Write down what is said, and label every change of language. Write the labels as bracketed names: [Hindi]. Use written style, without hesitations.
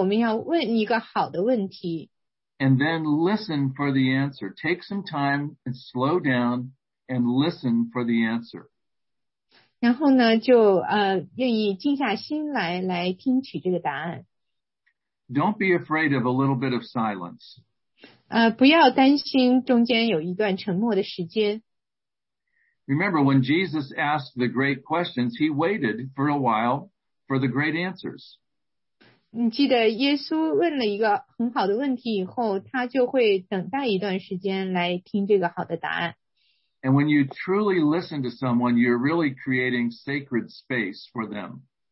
[Chinese] 那所以呢，我们要问一个好的问题。And [English] then listen for the answer. Take some time and slow down and listen for the answer. [Chinese] 然后呢，就愿意静下心来听取这个答案。 [English] Don't be afraid of a little bit of silence. [Chinese] 不要担心中间有一段沉默的时间。 [English] Remember, when Jesus asked the great questions, he waited for a while for the great answers. [Chinese] 你记得耶稣问了一个很好的问题以后, 他就会等待一段时间来听这个好的答案。 [English] And when you truly listen to someone, you're really creating sacred space for them.